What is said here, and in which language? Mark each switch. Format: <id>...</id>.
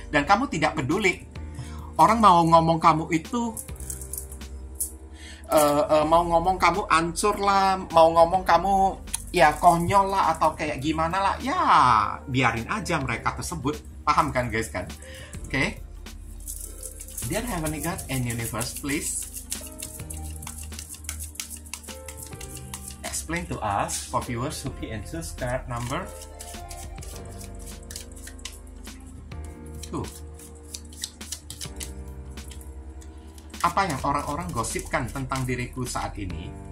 <id>Dan kamu tidak peduli orang mau ngomong kamu itu mau ngomong kamu ancur lah, mau ngomong kamu ya konyol lah atau kayak gimana lah, ya biarin aja mereka tersebut. Paham kan guys kan? Oke.</id> <en>Dear Heavenly God and Universe, please explain to us, for viewers who be answers card number 2.</en> <id>Apa yang orang-orang gosipkan tentang diriku saat ini?</id>